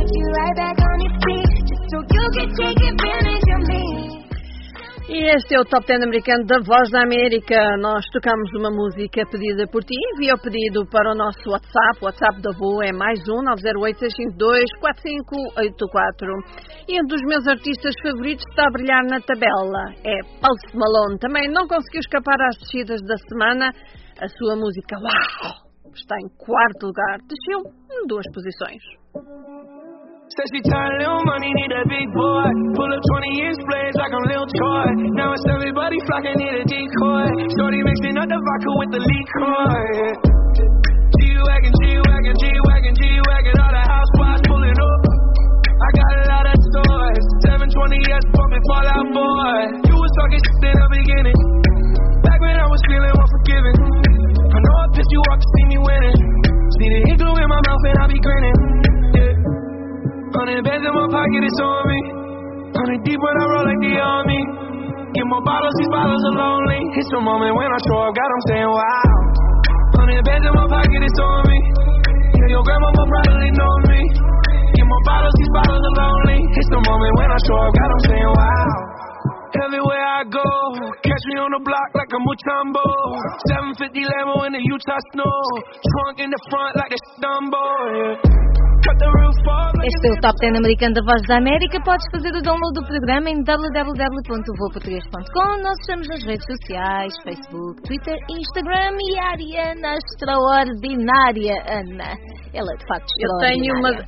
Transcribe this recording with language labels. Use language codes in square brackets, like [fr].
[en] Right back on your feet, just so you. [pt] E este é o Top 10 americano da Voz da América. Nós tocamos uma música pedida por ti. Envia o pedido para o nosso WhatsApp. O WhatsApp da Voa é +1 908-652-4584. E um dos meus artistas favoritos está a brilhar na tabela. É Post Malone. Também não conseguiu escapar às descidas da semana. A sua música, uau, está em quarto lugar. Desceu em duas posições. [en] Says she tired of little money, need a big boy. Pull up 20 inch blades like I'm Lil Troy. Now it's everybody flocking, need a decoy. Shorty mixing up the vodka with the liquor. G-Wagon, G-Wagon, G-Wagon, G-Wagon. All the housewives pulling up. I got a lot of toys. 720S bumping, Fallout Boy. You was talking shit in the beginning. Back when I was feeling unforgiven. I know I pissed you off to see me winning. See the ink glue in my mouth and I be grinning. 100 bands in my pocket, it's on me. 100 deep when I roll like the army. Get more bottles, these bottles are lonely. It's a moment when I show up, God, I'm saying wow. 100 bands in my pocket, it's on me. Yeah, your grandma more probably know me. Get more bottles, these bottles are lonely. It's a moment when I show up, God, I'm saying wow. Everywhere I go, catch me on the block like a Mutombo. 750 Lambo in the Utah snow. Trunk in the front like a Dumbo, yeah. [pt] Este é o Top 10 americano da Voz da América. Podes fazer o download do programa em www.voaportugues.com. Nós estamos nas redes sociais, Facebook, Twitter, Instagram. E a Ariana, extraordinária, Ana. Ela é de facto extraordinária.